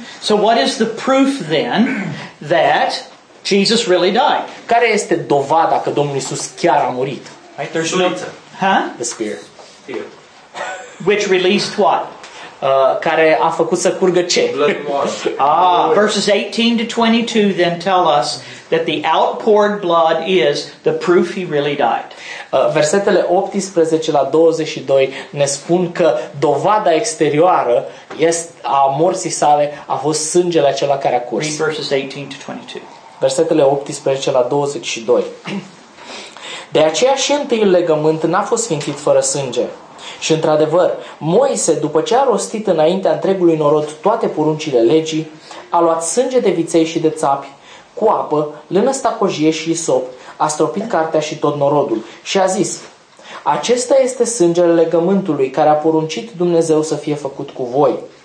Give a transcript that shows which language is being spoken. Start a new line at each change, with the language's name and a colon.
English: So what is the proof then that Jesus really died?
Romanian: Care este dovada că Domnul Iisus chiar a murit?
English: Right, there's no, the spear. Which released what?
Romanian: Care a făcut să curgă ce?
English: Blood and water. Verses 18 to 22 then tell us that the outpoured blood is the proof he really died.
Romanian: Versetele 18 la 22 ne spun că dovada exterioară a morții sale a fost sângele acela care a curs.
English: Read verses 18 to 22.
Romanian: Versetele 18 la 22. De aceea și întâiul legământ n-a fost sfințit fără sânge. Și într-adevăr, Moise, după ce a rostit înaintea întregului norod toate poruncile legii, a luat sânge de viței și de țapi, cu apă, lână stacojie și isop, a stropit cartea și tot norodul și a zis: acesta este sângele legământului care a poruncit Dumnezeu să fie făcut cu voi.